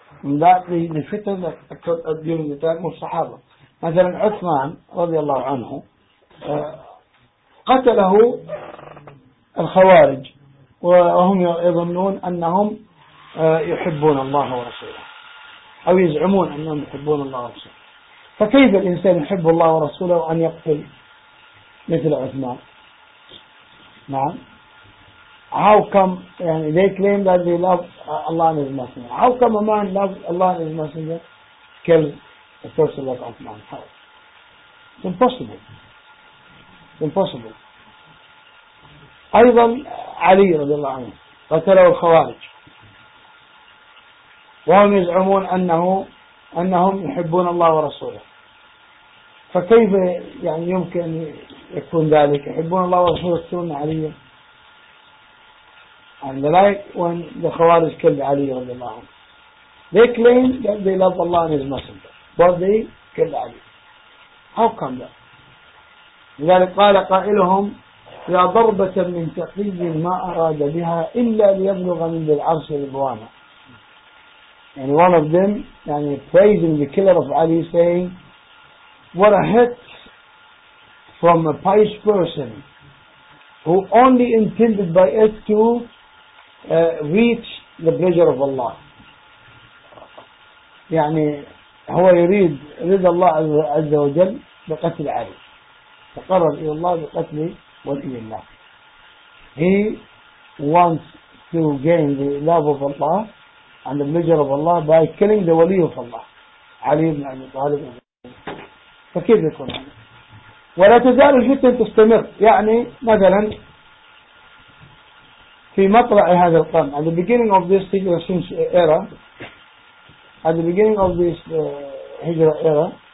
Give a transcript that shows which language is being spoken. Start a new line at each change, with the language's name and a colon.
Arabic: من ذلك الفتن
English: during the time of
Arabic: الصحابة، مثلا عثمان رضي الله عنه قتله الخوارج وهم يظنون أنهم يحبون الله ورسوله أو يزعمون أنهم يحبون الله ورسوله. فكيف الإنسان يحب الله ورسوله وأن يقتل مثل عثمان؟ نعم.
English: How come يعني they claim that they love Allah and His Messenger. How come a man loves Allah and His Messenger kills a person like Uthman? How? It's impossible. It's impossible.
Arabic: أيضا علي رضي الله عنه قتله الخوارج وهم يزعمون أنهم يحبون الله ورسوله. فكيف يعني يمكن يكون ذلك؟ يحبون الله ورسوله يقتلون علي.
English: And the like when the Khawarij killed Ali
Arabic: رضي الله عنه.
English: They claim that they love Allah and His Messenger, but they killed Ali. How come that?
Arabic: لذلك قال قائلهم يا ضربة من تقي ما أراد بها إلا ليبلغ من العرش رضوانه.
English: And one of them يعني praising the killer of Ali saying what a hit from a pious person who only intended by it to reach the pleasure of Allah.
Arabic: يعني هو يريد رضا الله عز وجل بقتل علي، فقرر إلى الله بقتل ولي الله.
English: He wants to gain the love of Allah and the pleasure of Allah by killing the ولي of Allah علي بن أبي طالب.
Arabic: فكيف يكون؟ ولا تزال الفتن تستمر. يعني مثلا في مطلع هذا القرن،
English: at the beginning of this hijra since era, at the beginning of this hijra era